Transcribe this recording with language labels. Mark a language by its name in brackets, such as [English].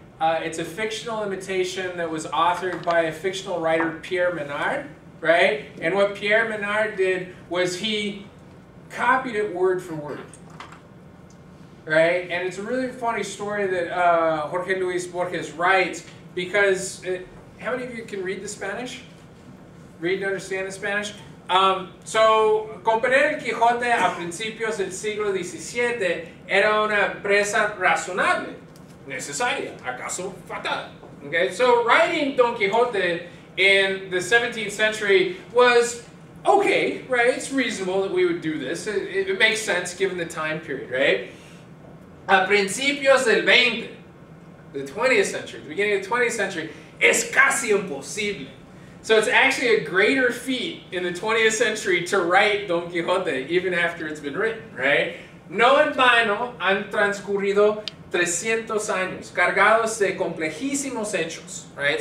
[English] It's a fictional imitation that was authored by a fictional writer, Pierre Menard, right? And what Pierre Menard did was he copied it word for word, right? And it's a really funny story that Jorge Luis Borges writes, because how many of you can read the Spanish? Read and understand the Spanish? [Spanish] So, comprender el Quijote a principios del siglo XVII era una empresa razonable. Necesaria, acaso fatal. [English] Okay, so writing Don Quixote in the 17th century was okay, right? It's reasonable that we would do this. It makes sense given the time period, right? [Spanish] A principios del 20, [English] the 20th century, the beginning of the 20th century, [Spanish] es casi imposible. [English] So it's actually a greater feat in the 20th century to write Don Quixote even after it's been written, right? [Spanish] No en vano han transcurrido 300 años, cargados de complejísimos hechos, right?